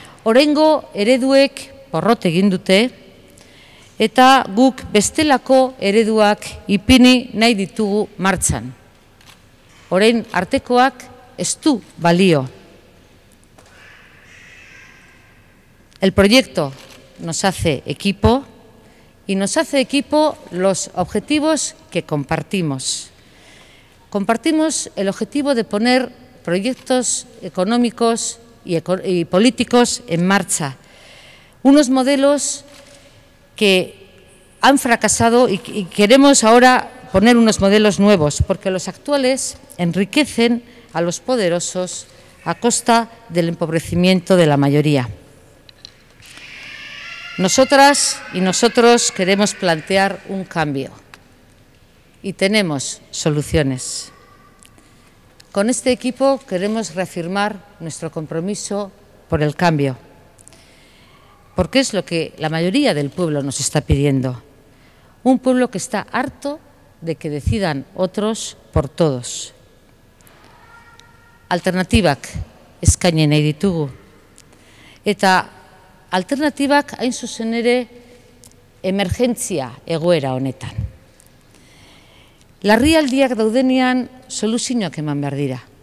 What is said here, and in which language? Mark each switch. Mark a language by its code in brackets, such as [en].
[eu] Oraingo ereduek porrot egin dute eta guk bestelako ereduak ipini nahi ditugu martxan. Orain artekoak ez du balio. [es] El proyecto nos hace equipo y nos hace equipo los objetivos que compartimos. Compartimos el objetivo de poner proyectos económicos y políticos en marcha. Unos modelos que han fracasado y queremos ahora poner unos modelos nuevos, porque los actuales enriquecen a los poderosos a costa del empobrecimiento de la mayoría. Nosotras y nosotros queremos plantear un cambio y tenemos soluciones. Con este equipo queremos reafirmar nuestro compromiso por el cambio, porque es lo que la mayoría del pueblo nos está pidiendo. Un pueblo que está harto de que decidan otros por todos. [eu] Alternativak eskaini nahi ditugu. Eta alternativak hain zuzen ere emergentzia egoera honetan. Larrialdiak daudenean soluzioak eman behar dira.